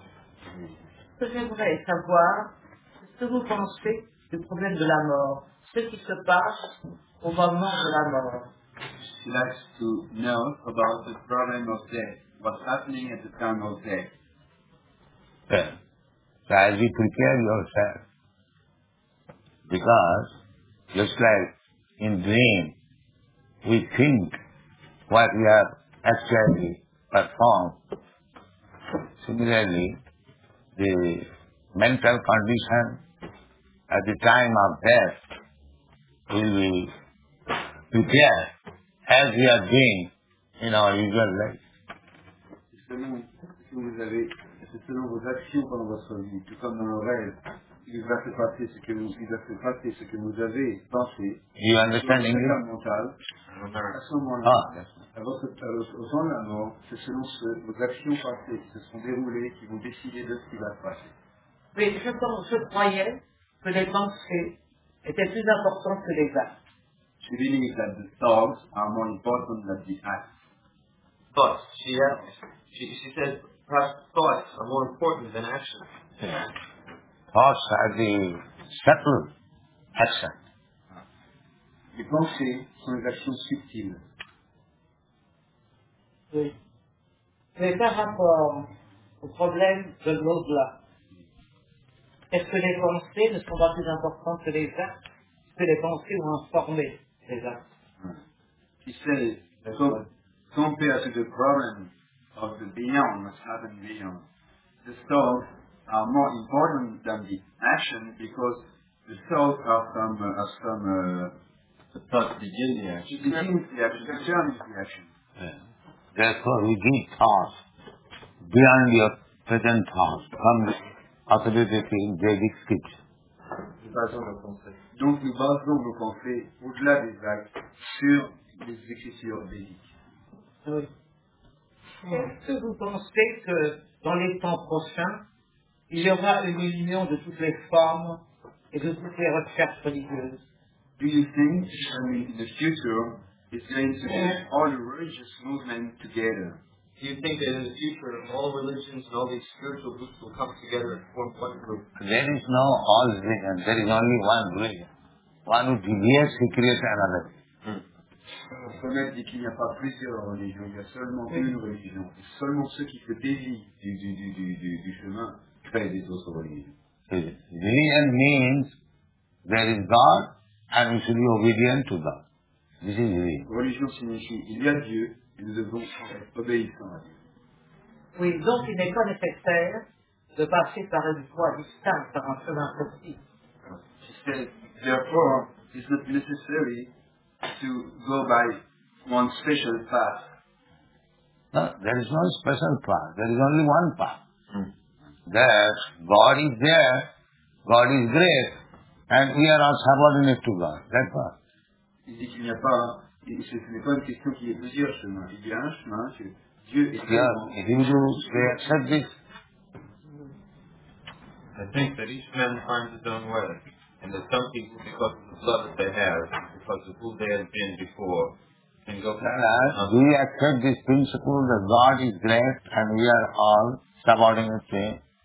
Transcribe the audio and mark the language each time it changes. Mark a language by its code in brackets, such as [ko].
[fr] Lévy, je n'ai pas beaucoup de temps, mais c'est ça. Ce que j'aimerais savoir, c'est ce que vous pensez du problème de la mort, ce qui se passe au moment de la mort. [en] She likes to know about the problem of death, what's happening at the time of death. So as you prepare yourself, because just like in dream, we think what we have actually performed. Similarly, the mental condition at the time of death will be prepared as we are doing in our usual life. [fr] Selon vos actions pendant votre vie, tout comme dans vos rêves, il va se passer ce que vous, avez pensé. [en] You understand English? [fr] Mental, à ce moment-là, à votre temps de la mort, c'est selon ce, vos actions passées qui se sont déroulées qui vont décider de ce qui va se passer. Oui, je croyais que les pensées étaient plus importantes que les actes. [en] She believes that the thoughts are more important than the acts. But she said, perhaps thoughts are more important than actions. Yeah. Thoughts are the subtle action. [fr] Les pensées sont les actions subtiles. Oui. Mais par rapport au problème de l'au-delà, est-ce que les pensées ne sont pas plus importantes que les actes? Est-ce que les pensées ont informé les actes? Qui sait, d'accord, [en] compared to the problem of the beyond, the seven beyond. The thoughts are more important than the action because the thoughts are the thoughts begin the action. The action begins the action. Yeah. Therefore, we give thoughts beyond your present thoughts from the authority in Vedic scripture. [fr] Donc, nous basons nos pensées au-delà des actes sur les écritures védiques. Est-ce que vous pensez que dans les temps prochains, il y aura une union de toutes les formes et de toutes les recherches religieuses? [en] Do you think, in the future, it's going to be all religious movements together? Do you think that in the future, all religions and all these spiritual groups will come together and form one group? There is no all religion. There is only one religion. One who deviates, he creates another. [fr] Promettre dit qu'il n'y a pas plusieurs religions, il y a seulement une religion. C'est seulement ceux qui se dévient du chemin créent des autres religions. [en] Religion means there is God and we should be obedient to God. This is religion. [fr] Religion signifie il y a Dieu et nous devons être obéissants à Dieu. Oui. Oui, donc il n'est pas nécessaire de passer par une voie distincte, par un chemin précis. [en] She said, therefore, it's not necessary to go by one special path. No, there is no special path. There is only one path. There, God is there. God is great. And we are all subordinate to God. That's all. [fr] Il dit qu'il n'y a pas, ce n'est pas une question qu'il y ait plusieurs chemins. Il y a un chemin, c'est Dieu est [en] grand. Hindus, they accept this. I think that each man finds his own way. And that some people, because of the blood that they have, because of who they have been before, can go back. We accept this principle that God is great and we are all subordinate to Him.